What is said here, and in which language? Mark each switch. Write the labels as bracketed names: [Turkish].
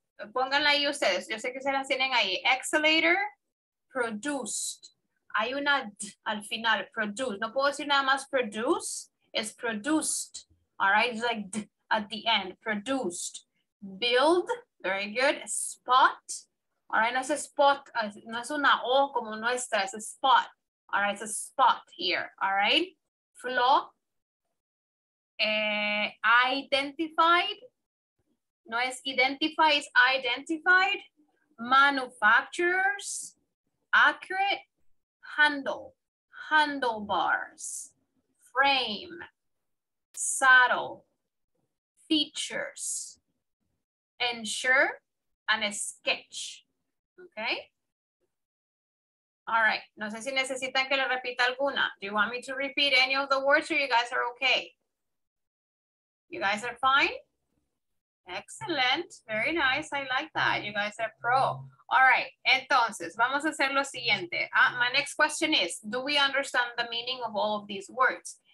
[Spanish] Pónganla ahí ustedes, yo sé que se las tienen ahí. [English] Accelerator, produced. [Spanish] Hay una D al final, produced. No puedo decir nada más produce, es produced. [English] All right, it's like D at the end, produced. Build, very good. [Spanish] Spot, [English] all right, [Spanish] no es spot, no es una O como nuestra, es [English] a spot. All right, it's a spot here, all right. Flow, identified. No es identify, es identified, manufacturers, accurate, handle, handlebars, frame, saddle, features, ensure, and a sketch. Okay? All right. [Spanish] No sé si necesitan que lo repita alguna. [English] Do you want me to repeat any of the words or you guys are okay? You guys are fine? Excellent, very nice, I like that. You guys are pro. All right, [Spanish] entonces, vamos a hacer lo siguiente. [English] My next question is, do we understand the meaning of all of these words?